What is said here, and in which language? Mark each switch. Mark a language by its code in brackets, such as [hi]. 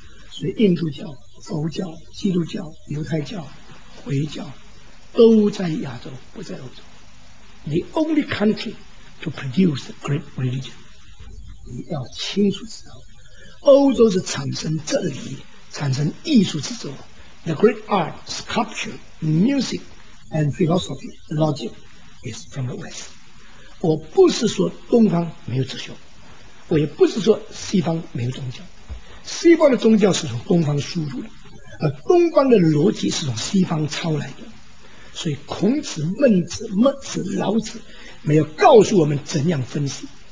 [zh] 所以印度教、佛教、基督教、犹太教、回教都在亚洲，不在欧洲。 [en] The only country to produce a great religion。 [zh] 你要清楚知道，欧洲是产生这里，产生艺术之州。 [en] The great art, sculpture, music and philosophy, logic is from the west。 [zh] 我不是说东方没有哲学，我也不是说西方没有宗教，西方的宗教是从东方输入的，而东方的逻辑是从西方抄来的。所以孔子、孟子、墨子、老子没有告诉我们怎样分析。